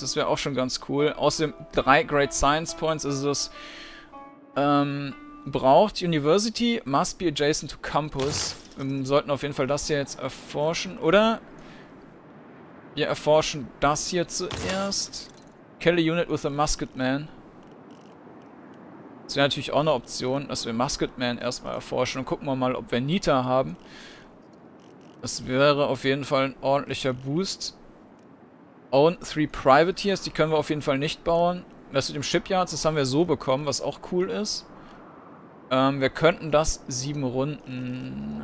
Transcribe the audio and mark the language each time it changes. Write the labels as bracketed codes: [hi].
[de] Das wäre auch schon ganz cool. Außerdem drei Great Science Points ist es. Braucht [en] University must be adjacent to campus. [de] Wir sollten auf jeden Fall das hier jetzt erforschen, oder? Wir erforschen das hier zuerst. [en] Kill a unit with a musket man. [de] Das wäre natürlich auch eine Option, dass wir Musket Man erstmal erforschen und gucken wir mal, ob wir Nita haben. Das wäre auf jeden Fall ein ordentlicher Boost. [en] Own three Privateers, [de] die können wir auf jeden Fall nicht bauen. Das mit dem Shipyards, das haben wir so bekommen, was auch cool ist. Wir könnten das 7 Runden.